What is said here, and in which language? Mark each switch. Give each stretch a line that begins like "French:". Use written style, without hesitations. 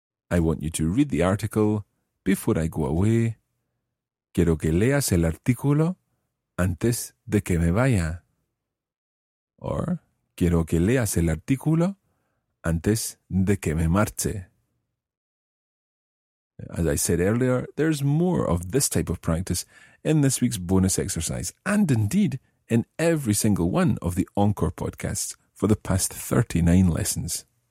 English: I want you to read the article before I go away.
Spanish: Quiero que leas el artículo antes de que me vaya. Or, quiero que leas el artículo antes de que me marche.
English: As I said earlier, there's more of this type of practice in this week's bonus exercise, and indeed in every single one of the Encore podcasts for the past 39 lessons.